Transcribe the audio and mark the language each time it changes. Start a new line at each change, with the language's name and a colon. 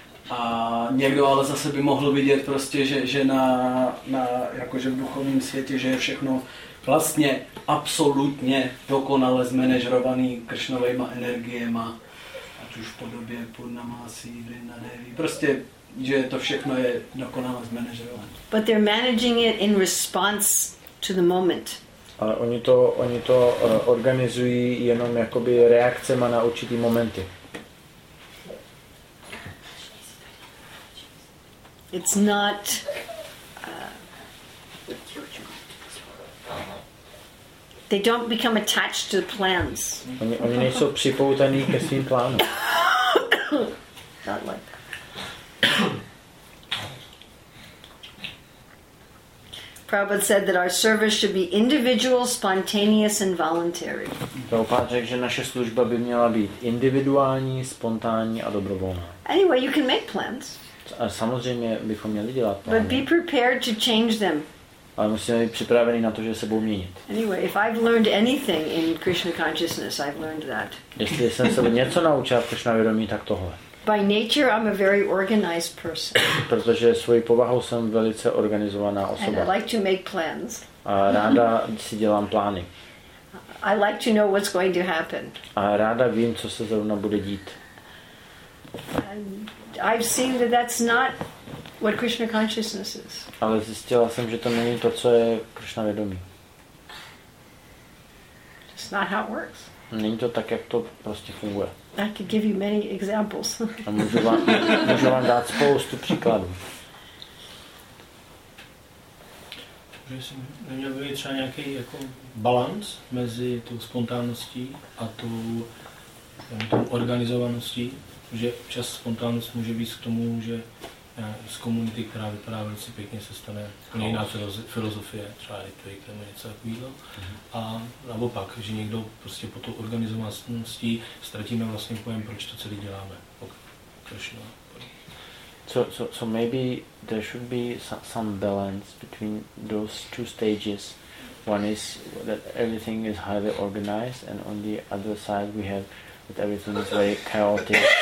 Czech: A někdo ale zase by mohl vidět prostě, že na jakože v duchovním světě, že je všechno vlastně absolutně dokonale zmanežrovaný kršnovejma energiema, ať už v podobě Purnamasi, Vrinda Devi, prostě, že to všechno je dokonale zmanežrované.
English: But they're managing it in response to the moment.
Czech: Ale oni to organizují jenom jakoby reakcema na určitý momenty.
English: It's not they don't become attached to the plans.
Czech: Oni nejsou připoutaní ke svým plánům.
English: Not like that. Prabhupada said that our service should be individual, spontaneous and voluntary.
Czech: Prabhupada řekl, že naše služba by měla být individuální, spontánní a dobrovolná.
English: Anyway, you can make plans.
Czech: A samozřejmě bychom měli dělat plány.
English: But be prepared to change them.
Czech: Ale musíme být připraveni na to, že se budou měnit.
English: Anyway, if I've learned anything in Krishna consciousness, I've learned that.
Czech: Jestli jsem se něco naučil v Krishna vědomí, tak tohle.
English: By nature I'm a very organized person.
Czech: Protože svojí povahou jsem velice organizovaná osoba.
English: And I like to make plans.
Czech: A ráda si dělám plány.
English: I like to know what's going to happen.
Czech: A ráda vím, co se zrovna bude dít.
English: I've seen that that's not what Krishna consciousness is.
Czech: Ale zjistila jsem, že to není to, co je Krishna vědomí.
English: It's not how it works.
Czech: Není to tak, jak to prostě funguje.
English: I could give you many examples.
Czech: A můžu vám dát spoustu příkladů. Neměl by třeba nějaký jako balance mezi tou spontánností a tou organizovaností? Že čas spontánnost může být k tomu, že z komunity, která vypadá velice pěkně, se stane jiná filozofie, třeba rituik nebo něco takového. A naopak, že někdo prostě po tou organizovaností ztratíme vlastně pojem, proč to celý děláme.
English: So maybe there should be some balance between those two stages. One is that everything is highly organized and on the other side we have that everything is very chaotic.